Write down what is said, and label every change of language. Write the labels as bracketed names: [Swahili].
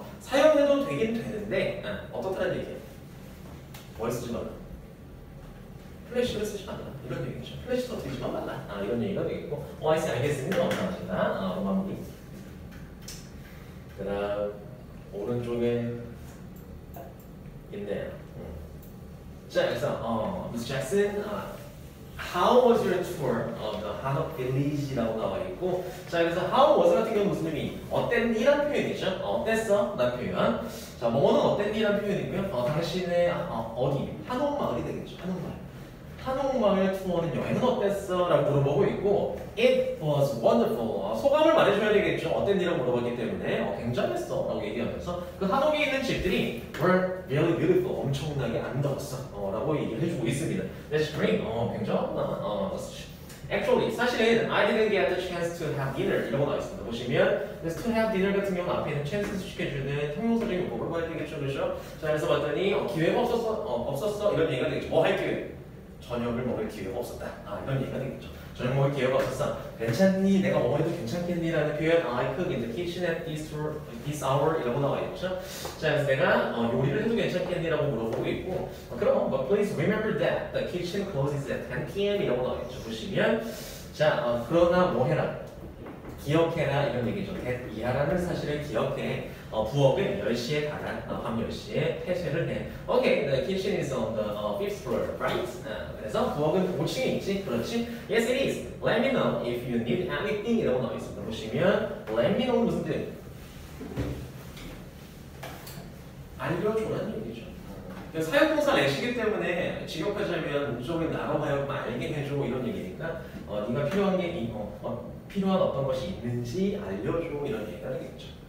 [Korean] 사용해도 되긴 되는데 어떻다는 얘기예요? 뭘 쓰지 말라? 플래시를 쓰지 말라 이런 얘기죠. 플래시도 쓰지 말라 이런 얘기가 되겠고 [English] I see, [Korean] 알겠습니다. 감사합니다. 마무리 그 다음 오른쪽에 있네요. 자, 그래서 Ms. [English] Jackson How was your tour of the Hanok Village? [Korean] 라고 나와있고 자, 그래서 How was 같은 경우는 무슨 의미? 어땠니? 라는 표현이죠. 어땠어? 라는 표현. 자, 뭐는 어땠니? 라는 표현이고요. 당신의 어디? 한옥 마을이 되겠죠. 한옥 마을. 한옥 마을 투어는 여행은 어땠어? 라고 물어보고 있고 [English] It was wonderful. [Korean] 소감을 말해줘야 되겠죠. 어땠니? 라고 물어봤기 때문에 굉장했어. 라고 얘기하면서 그 한옥에 있는 집들이 [English] were really beautiful. [Korean] 엄청나게 아름다웠어. 라고 얘기를 해주고 있습니다. [English] That's great. [Korean] 굉장하구나. [English] Actually, [Korean] 사실은 [English] I didn't get the chance to have dinner. [Korean] 이런 거 나와있습니다. 보시면 그래서 to have dinner 같은 경우는 앞에 있는 chance 수식해주는 형용사적인 용법을 봐야 되겠죠, 그죠? 자, 그래서 봤더니 기회가 없었어? 없었어? 이런 얘기가 되겠죠. 뭐 할 기회? 저녁을 먹을 기회가 없었다. 이런 얘기가 되겠죠. 저녁 먹을 기회가 없었어. 괜찮니? 내가 뭐 해도 괜찮겠니? 라는 표현 [English] I cook in the kitchen at this hour [Korean] 이라고 나와있죠. 자, 그래서 내가 요리를 해도 괜찮겠니? 라고 물어보고 있고 그럼 [English] but please remember that the kitchen closes at 10 PM [Korean] 이라고 나와있죠. 보시면 자, 그러나 뭐 해라? 기억해라 이런 얘기죠. that 이하라는 사실을 기억해 부업은 10시에 닫아 밤 10시에 폐쇄를 해. [English] Okay, the kitchen is on the fifth floor, right? [Korean] 그래서 부업은 5층에 있지, 그렇지? [English] Yes, it is. Let me know if you need anything [Korean] 이라고 나와있습니다. 보시면 Let me know 무슨 뜻? 알려줘라는 얘기죠. 사역동사 let이기 때문에 직역하자면 무조건 나로 하여 말게 해줘 이런 얘기니까 네가 필요한 게 필요한 어떤 것이 있는지 알려줘 이런 얘기가 되겠죠.